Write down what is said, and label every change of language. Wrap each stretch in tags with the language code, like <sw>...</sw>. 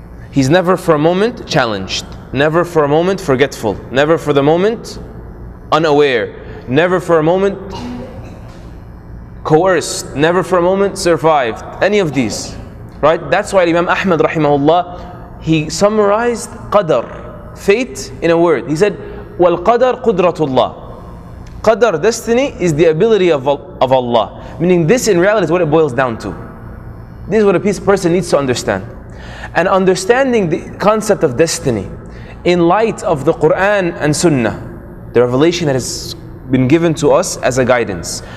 <en>He's never for a moment challenged, never for a moment forgetful, never for the moment unaware, never for a moment coerced, never for a moment survived, any of these. Right? That's why Imam Ahmad rahimahullah, he summarized qadr, fate, in a word. He said,</en> <ar>وَالْقَدَرْ قُدْرَةُ اللَّهِ.</ar> <en>Qadr, destiny, is the ability of Allah. Meaning this in reality is what it boils down to. This is what a person needs to understand. And understanding the concept of destiny in light of the Qur'an and Sunnah, the revelation that has been given to us as a guidance.</en>